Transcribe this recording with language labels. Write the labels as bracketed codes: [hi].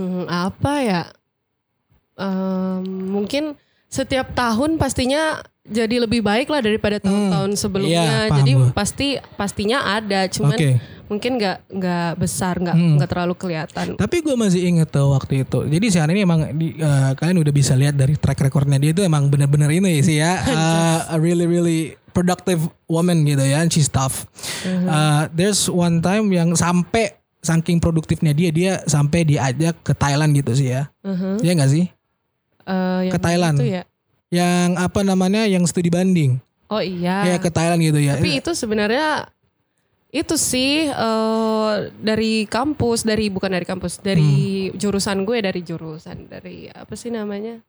[id] Apa ya? Mungkin setiap tahun pastinya jadi lebih baik lah daripada tahun-tahun sebelumnya. Iya, jadi pastinya ada, cuman mungkin gak besar, gak terlalu kelihatan. Tapi gue masih inget tuh waktu itu. Jadi si Han ini emang kalian udah bisa lihat dari track recordnya dia itu emang bener-bener ini sih ya. [en] Really-really... productive woman gitu ya, and she's tough. [id] There's one time yang sampai saking produktifnya dia sampai diajak ke Thailand gitu sih ya. Iya gak sih? Ke Thailand. Itu ya? Yang apa namanya, yang studi banding. Oh iya. Ya ke Thailand gitu ya. Tapi itu sebenarnya, itu sih dari kampus, dari jurusan gue, dari apa sih namanya?